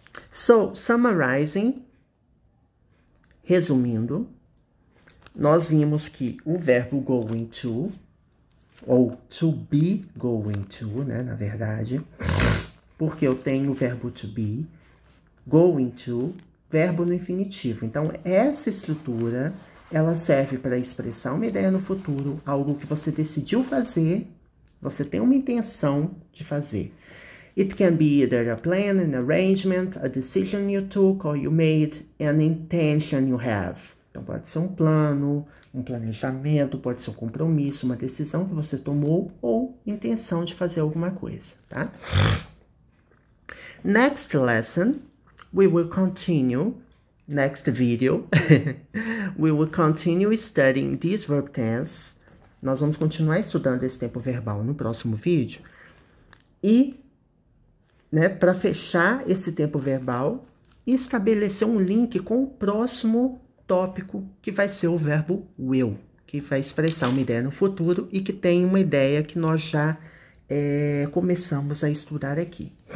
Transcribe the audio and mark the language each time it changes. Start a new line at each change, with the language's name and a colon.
English: So, summarizing,
Portuguese: resumindo, nós vimos que o verbo going to, ou to be going to, né, na verdade, porque eu tenho o verbo to be, going to, verbo no infinitivo. Então, essa estrutura, ela serve para expressar uma ideia no futuro, algo que você decidiu fazer, você tem uma intenção de fazer.
English: It can be either a plan, an arrangement, a decision you took or you made, an intention you have.
Portuguese: Então, pode ser um plano, um planejamento, pode ser um compromisso, uma decisão que você tomou ou intenção de fazer alguma coisa, tá?
English: Next lesson, we will continue. Next video, we will continue studying this verb tense.
Portuguese: Nós vamos continuar estudando esse tempo verbal no próximo vídeo. E, né, para fechar esse tempo verbal, estabelecer um link com o próximo tópico, que vai ser o verbo will, que vai expressar uma ideia no futuro e que tem uma ideia que nós já começamos a estudar aqui.